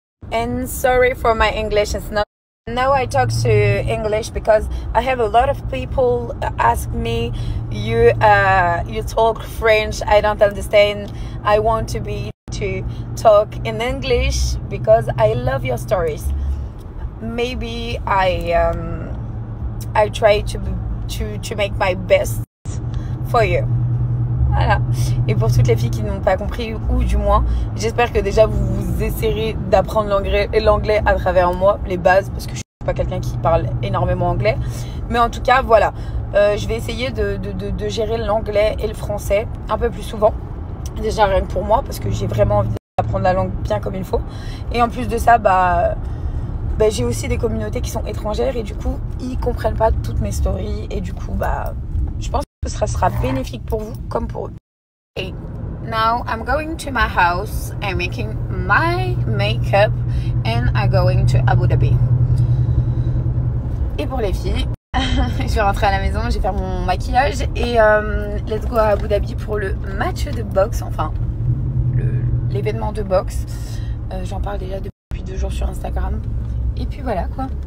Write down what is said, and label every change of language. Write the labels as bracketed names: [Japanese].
[English] And sorry for my English, it's not... Now I talk to English because I have a lot of people ask me, you talk French, I don't understand. I want to be to talk in English because I love your stories. Maybe I try to make my best for you. [French] Voilà. Et pour toutes les filles qui n'ont pas compris, ou du moins, j'espère que déjà vous essayerez d'apprendre l'anglais à travers moi, les bases, parce que je ne suis pas quelqu'un qui parle énormément anglais. Mais en tout cas, voilà, je vais essayer de gérer l'anglais et le français un peu plus souvent. Déjà rien que pour moi, parce que j'ai vraiment envie d'apprendre la langue bien comme il faut. Et en plus de ça, bah j'ai aussi des communautés qui sont étrangères et du coup, ils ne comprennent pas toutes mes stories. Et du coup, je pense que ce sera bénéfique pour vous comme pour eux. [English] Hey, now I'm going to my house, I'm making my makeup and I'm going to Abu Dhabi. [French] Et pour les filles, je vais rentrer à la maison, je vais faire mon maquillage et [English] let's go [French] à Abu Dhabi pour le match de boxe, enfin l'événement de boxe. J'en parle déjà depuis 2 jours sur Instagram. Et puis voilà quoi.